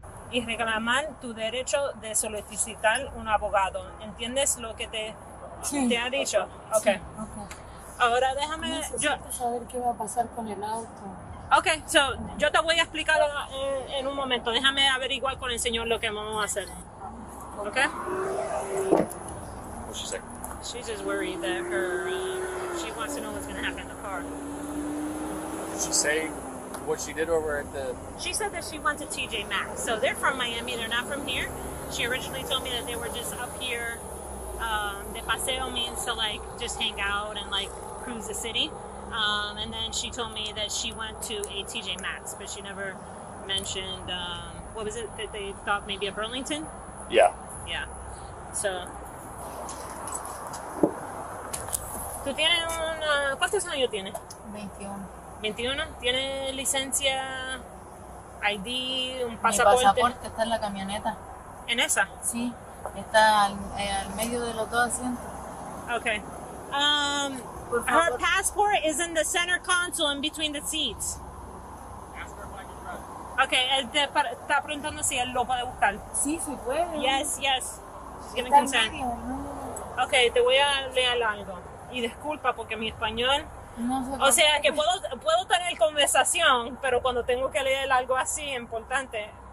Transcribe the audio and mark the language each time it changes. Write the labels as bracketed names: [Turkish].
[Spanish] Y reclamar tu derecho de solicitar un abogado. ¿Entiendes lo que te ha dicho? Okay. Sí, ok. Ahora déjame... Necesito saber qué va a pasar con el auto. Ok, so, yo te voy a explicarlo en un momento. Déjame averiguar con el señor lo que vamos a hacer. Ok? [English] What's she saying? She's just worried that she wants to know what's going to happen in the car. Did she say what she did over at the... She said that she went to TJ Maxx. So they're from Miami, they're not from here. She originally told me that they were just up here. [Spanish] De paseo [English] means to like just hang out and like cruise the city. And then she told me that she went to a TJ Maxx, but she never mentioned, what was it that they thought, maybe a Burlington? Yeah. Yeah. So. [Spanish] ¿Tú tienes una... ¿Cuántos años tienes? 21. ¿Tiene licencia, ID, un pasaporte? Mi pasaporte está en la camioneta. ¿En esa? Sí. Está al medio de los dos asientos. Okay. [English] Her passport is in the center console in between the seats. Ask her if I can drive. [Spanish] Okay, está preguntando si él lo puede buscar. Sí, sí puede. [English] Yes, yes. She's giving consent. [Spanish] No. Okay, te voy a leer algo. Y disculpa porque mi español... No se o sea, que puedo tener conversación, pero cuando tengo que leer algo así importante...